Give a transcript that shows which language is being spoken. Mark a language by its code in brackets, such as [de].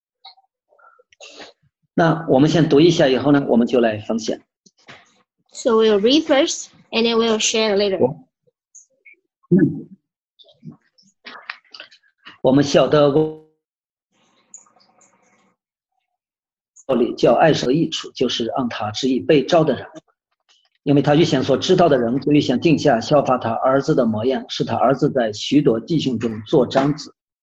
[zh] 39, 那我们先读一下以后呢我们就来分享 [en] So we'll read first and then we'll share later [zh] 我们晓得叫爱神的益处就是按他旨意被召的人因为他预先所知道的人就预先定下效法他儿子的模样使他儿子在许多弟兄中做长子